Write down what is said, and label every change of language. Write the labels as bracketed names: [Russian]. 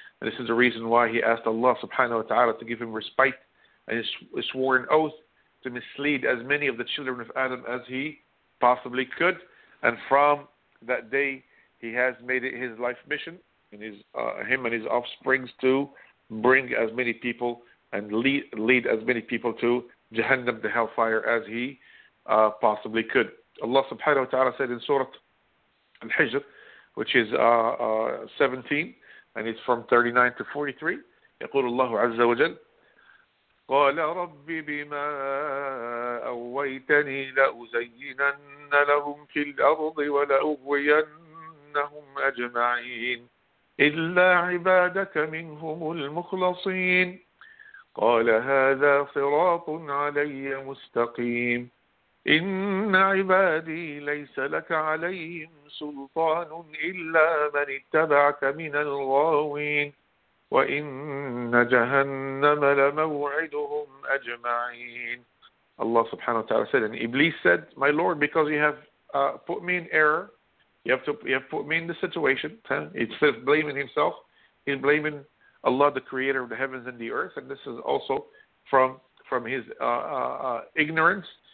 [English] And this is the reason why he asked Allah subhanahu wa ta'ala to give him respite and his sworn oath to mislead as many of the children of Adam as he possibly could. And from that day, he has made it his life mission, and his him and his offsprings, to bring as many people and lead as many people to Jahannam, the hellfire, as he possibly could. Allah subhanahu wa ta'ala said in Surah Al-Hijr, which is 17, and it's from 39 to 43, [Arabic] يقول الله عز وجل قال ربي بما أويتني لأزينن لهم في الأرض ولأغوينهم أجمعين إلا عبادك منهم المخلصين قال هذا صراط علي مستقيم إن عبادي ليس لك عليهم سلطان إلا من اتبعك من الغاوين وإن جهنم لموعدهم أجمعين. [English] Allah subhanahu wa ta'ala said, and Iblis said, my Lord, because you have put me in error, you have put me in this situation. Instead of blaming himself, he's blaming Allah, the creator of the heavens and the earth. And this is also from his ignorance.